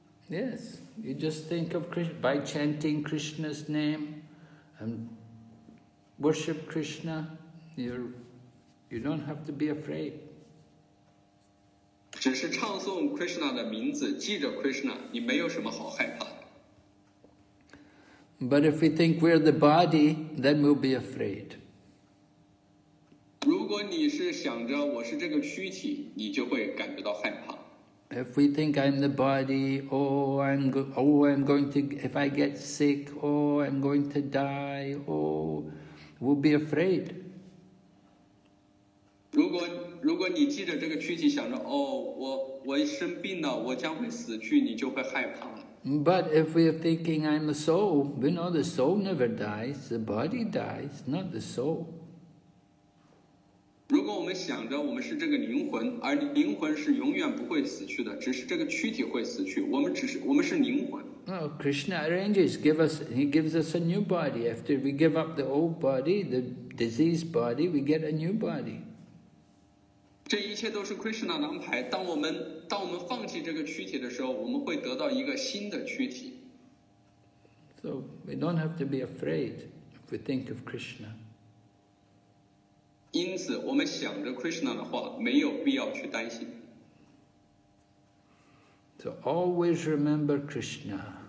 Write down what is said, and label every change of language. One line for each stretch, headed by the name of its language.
English: Yes, you just think of Krishna by chanting Krishna's name and worship Krishna. You don't have to be afraid.
Chinese: 只是唱诵 Krishna 的名字，记着 Krishna， 你没有什么好害怕。
English: But if we think we're the body, then we'll be afraid.
Chinese: 如果你是想着我是这个躯体，你就会感觉到害怕。
English: If we think I'm the body, if I get sick, I'm going to die, we'll be afraid.
Chinese: 如果你记着这个躯体想着我生病了，我将会死去，你就会害怕。
English: But if we're thinking I'm a soul, we know the soul never dies, the body dies, not the soul.
Chinese: 如果我们想着我们是这个灵魂，而灵魂是永远不会死去的，只是这个躯体会死去。我们是灵魂。
English: Oh, Krishna arranges, he gives us a new body. After we give up the old body, the diseased body, we get a new body.
Chinese: 这一切都是 Krishna 的安排。当我们放弃这个躯体的时候，我们会得到一个新的躯体。
English: So we don't have to be afraid if we think of Krishna.
Chinese: 因此，我们想着 Krishna 的话，没有必要去担心。
English: So always remember Krishna.